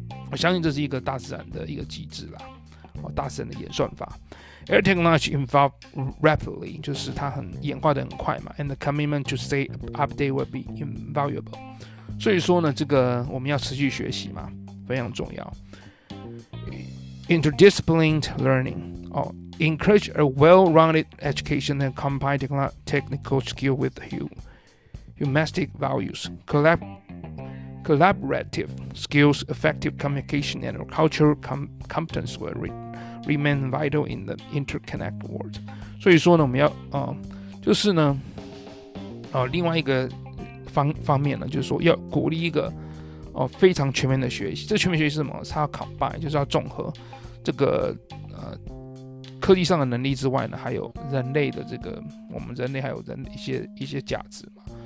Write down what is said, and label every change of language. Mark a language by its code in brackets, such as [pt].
[zh] 我相信这是一个大自然的一个机制啦，大自然的演算法。 [en] Air technology evolved rapidly， [zh] 就是它很演化的很快嘛。 [en] And the commitment to stay updated will be invaluable。 [zh] 所以说呢，这个我们要持续学习嘛，非常重要。 [en] Interdisciplined learning。 Encourage a well-rounded education and combine technical skill with humanistic values. Collaborative skills, effective communication, and cultural competence will remain vital in the interconnected world. [zh] 所以说呢，我们要就是呢，另外一个方面呢，就是说要鼓励一个非常全面的学习。这全面学习是什么？它要 combine， 就是要综合这个科技上的能力之外呢，还有人类的这个，我们人类还有人一些价值嘛。